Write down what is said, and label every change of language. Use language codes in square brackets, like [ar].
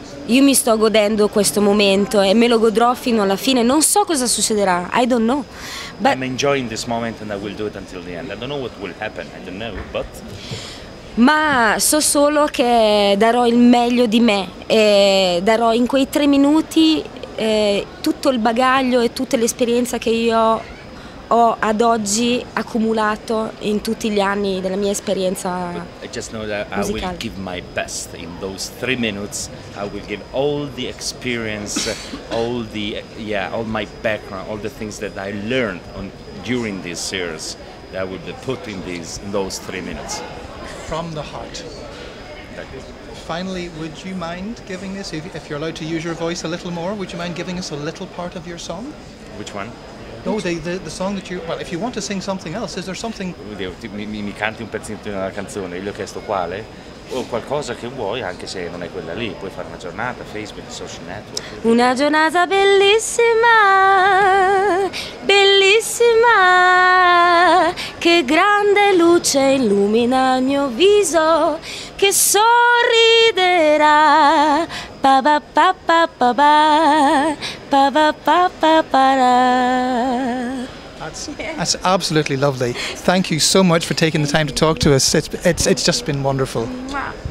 [it] Io mi sto godendo questo momento e me lo godrò fino alla fine. Non so cosa succederà. I don't know. [en] But I'm enjoying this moment and I will do it until the end. I don't know what will happen. I don't know, but. [it] Ma so solo che darò il meglio di me. E darò in quei tre minuti tutto il bagaglio e tutta l'esperienza che io ho ad oggi accumulato in tutti gli anni della mia esperienza musicale. [en] I just know that I will give my best in those 3 minutes. I will give all the experience, all my background, all the things that I learned during these years that I will be put in those 3 minutes. From the heart. Finally, would you mind giving this, if you're allowed to use your voice a little more, would you mind giving us a little part of your song? Which one? No, the song that you... Well, if you want to sing something else, is there something... [it] Mi canti un pezzetto di una canzone, gli ho chiesto quale? O qualcosa che vuoi, anche se non è quella lì. Puoi fare una giornata, Facebook, social network... Una giornata bellissima, bellissima, che grande luce illumina il mio viso, che sorriderà, pa pa pa pa pa pa. [en] That's Yes. That's absolutely lovely. Thank you so much for taking the time to talk to us. It's just been wonderful. Mwah.